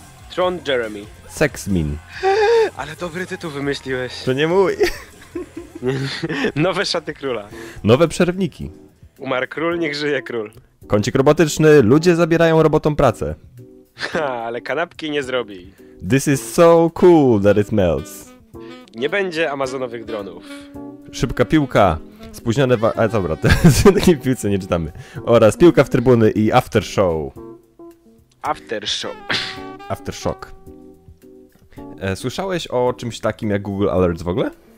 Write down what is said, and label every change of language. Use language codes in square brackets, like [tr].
[pl] Tron Jeremy. Sex Min. Ale dobry tytuł wymyśliłeś. To nie mój. Nowe szaty króla. Nowe przerwniki. Umarł król, niech żyje król. Kącik robotyczny, ludzie zabierają robotom pracę. Ha, ale kanapki nie zrobi. [en] This is so cool that it melts. [pl] Nie będzie amazonowych dronów. Szybka piłka. Spóźnione a dobra, to w takiej piłce nie czytamy. Oraz piłka w trybuny i after show. [en] After show. After shock. [pl] Słyszałeś o czymś takim jak Google Alerts w ogóle?